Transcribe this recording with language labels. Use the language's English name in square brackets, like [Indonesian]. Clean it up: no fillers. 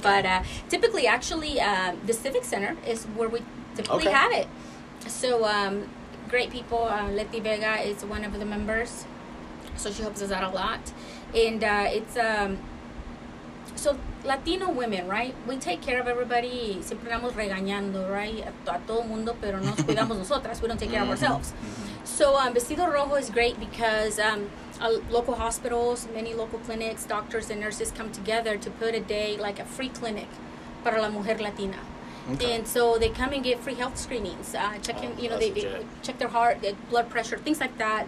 [English] But typically, actually, the Civic Center is where we typically have it. So, great people. Leti Vega is one of the members, so she helps us out a lot. And it's so Latino women, right? We take care of everybody. [Spanish] Siempre estamos regañando, right? A todo mundo, pero nos cuidamos nosotras. [English] We don't take care of ourselves. So, Vestido Rojo is great because. Local hospitals, many local clinics, doctors and nurses come together to put a day, like a free clinic, [Spanish] para la mujer latina. [English] Okay. And so they come and get free health screenings, they check their heart, their blood pressure, things like that.